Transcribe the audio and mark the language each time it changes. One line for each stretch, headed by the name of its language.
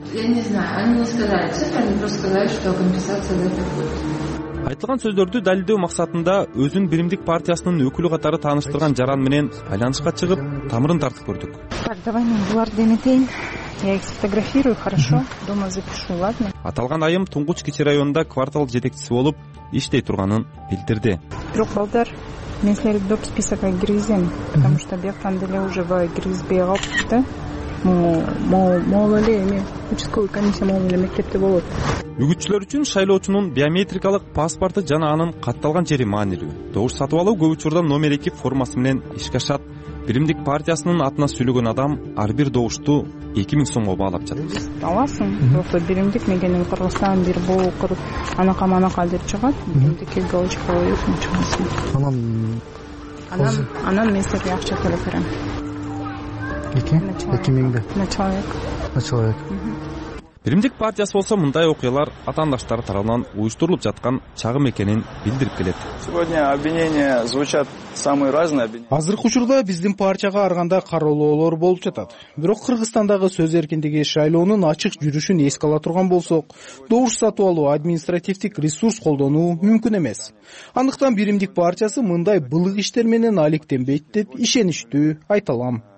Russian: Я не знаю, они не сказали цифры, они просто сказали, что компенсация за это будет.
Kyrgyz: Айтылган сөздөрдү далилдөө максатында өзүн Биримдик партиясынын өкүлү катары тааныштырган жаран менен байланышка чыгып, тамырын тартып көрдүк.
Russian: Так, давай
Kyrgyz: мен буларды эметейин.
Russian: Я их фотографирую, хорошо? Дома запишу, ладно?
Kyrgyz: Аталган айым Тунгуч кичи районунда квартал жетекчиси болуп, иштей турганын билдирди. Бирок балдар, мен силерди доп списокко киргизем,
Russian: потому что
Kyrgyz: объекттан деле уже киргизбей калыптыр. Мол эле эми участковый комиссия мол эле мектепте болот. Үгүтчүлөр үчүн шайлоочунун биометрикалык паспорту жана анын катталган жери маанилүү. Добуш сатып алуу көп учурда номер 2 формасы менен ишке ашат. Биримдик партиясынын атына сүйлөгөн адам ар бир добушту 2000 сомго баалап жатат. Аласың, жокто Биримдик мекенин Кыргызстан бир боо куруп, анака манака деп чыгат. Биримдикке болочок болуп чыгасың. Анан мен силерге акча төлөп берем. 2000
Russian: На человек.
Kyrgyz: Биримдик партиясы болсо мындай окуялар атаандаштар тарабынан уюштурулуп жаткан чагым экенин билдирип келет.
Russian: Сегодня обвинения звучат самые разные обвинения.
Kyrgyz: Азыркы учурда биздин партияга ар кандай кароолоолор болуп жатат. Бирок Кыргызстандагы сөз эркиндиги шайлоонун ачык жүрүшүн эске ала турган болсок, добуш сатып алуу административдик ресурс колдонуу мүмкүн эмес. Андыктан Биримдик партиясы мындай былык иштер менен алектенбейт деп ишеничтүү айта алам.